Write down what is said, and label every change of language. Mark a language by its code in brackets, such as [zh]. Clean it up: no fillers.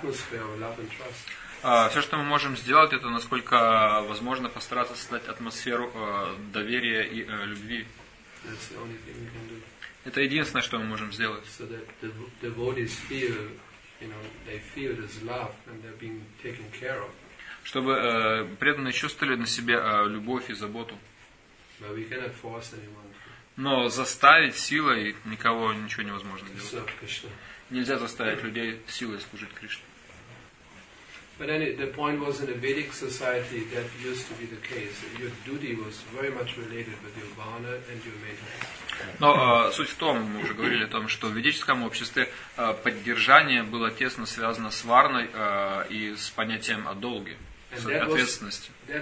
[ru] Все, что мы можем сделать, это насколько возможно постараться создать атмосферу доверия и любви. [en] That's the only thing we can do. [ru] Это единственное, что мы можем сделать. [en] So that the devotees feel, they feel this love and they're being taken care of. [ru] Чтобы преданные чувствовали на себе любовь и заботу. [en] But we cannot force anyone. [ru] Но заставить силой никого ничего невозможно сделать. [en] Serve Krishna. [ru] Нельзя заставить людей силой служить Кришне. [en] But then the point was in a Vedic society that used to be the case. Your duty was very much related with your vana and your maintenance. [ru] Но суть в том, мы уже говорили о том, что в ведическом обществе поддержание было тесно связано с варной и с понятием о долге. ответственностью.